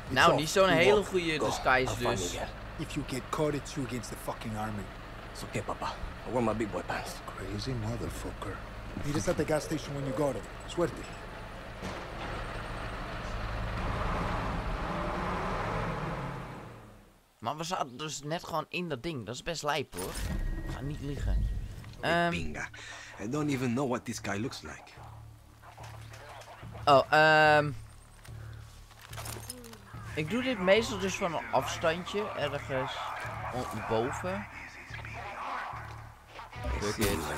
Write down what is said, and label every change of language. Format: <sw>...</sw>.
<nl>Nou, niet zo'n hele goede disguise dus.</nl> <en>If you get caught, it's you against the fucking army. It's okay, papa. I wear my big boy pants. Crazy motherfucker. He just at the gas station when you got it.</en> <es>Suerte.</es> <nl>Maar we zaten dus net gewoon in dat ding. Dat is best lijp hoor. Ga niet liegen. Binga.</nl> <en>I don't even know what this guy looks like.</en> <nl>Oh, ik doe dit meestal dus van een afstandje. Ergens boven.</nl> <en>Fuck it.</en>